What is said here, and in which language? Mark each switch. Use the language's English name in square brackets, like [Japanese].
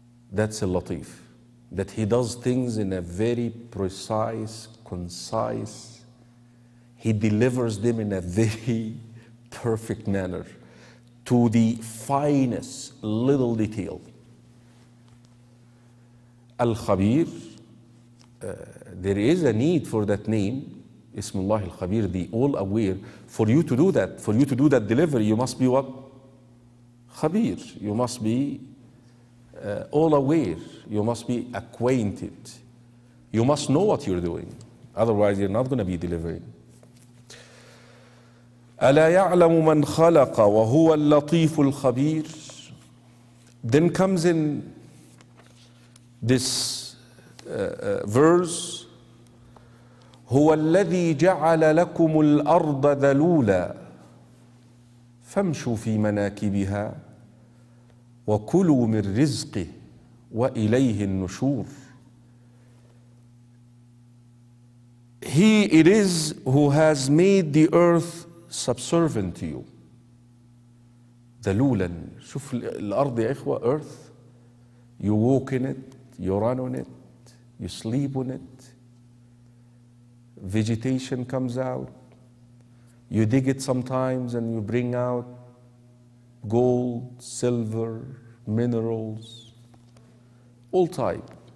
[English] That's a latif. That he does things in a very precise, concise. He delivers them in a very perfect manner, to the finest little detail. Al-Khabir, there is a need for that name, [Arabic] اسم الله الخبير, the all aware. [English] For you to do that, for you to do that delivery, you must be what? خبير. You must be all aware. You must be acquainted. You must know what you're doing. Otherwise, you're not going to be delivering. [Arabic] ألا يعلم من خلق وهو اللطيف الخبير. [English] Then comes in this verse. [Arabic] هو الذي جعل لكم الأرض ذلولا فامشوا في مناكبها وكلوا من رزقه وإليه النشور. [English] He it is who has made the earth subservient to you. ذلولا, شوف الأرض يا إخوة, earth, you walk in it, you run on it, you sleep on it, vegetation comes out, you dig it sometimes and you bring out gold, silver, minerals, all type.